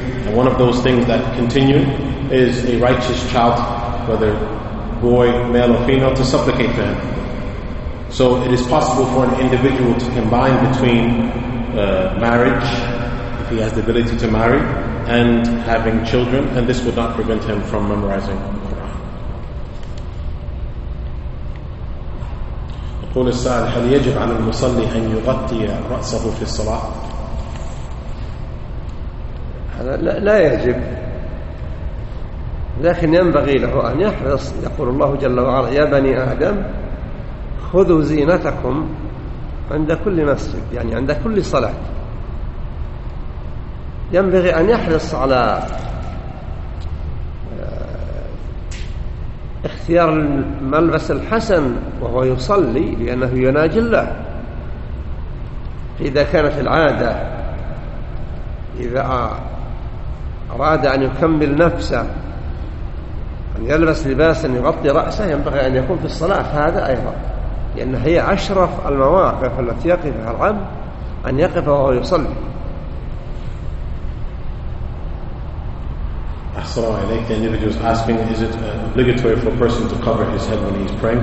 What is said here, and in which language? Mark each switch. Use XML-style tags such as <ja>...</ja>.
<en>And one of those things that continue is a righteous child, whether boy, male or female, to supplicate for him. So it is possible for an individual to combine between marriage, if he has the ability to marry, and having children, and this would not prevent him from memorizing.</en> <ar>قول السائل هل يجب على المصلي أن يغطي رأسه في الصلاة؟ هذا لا يجب، لكن ينبغي له أن يحرص. يقول الله جل وعلا: يا بني آدم خذوا زينتكم عند كل مسجد، يعني عند كل صلاة. ينبغي أن يحرص على اختيار الملبس الحسن وهو يصلي، لأنه يناجي الله. إذا كانت العادة إذا أراد أن يكمل نفسه أن يلبس لباسا يغطي رأسه، ينبغي أن يكون في الصلاة هذا أيضا، لأن هي أشرف المواقف التي يقفها العبد أن يقف وهو يصلي.</ar> <en>The individual is asking, is it obligatory for a person to cover his head when he's praying?</en>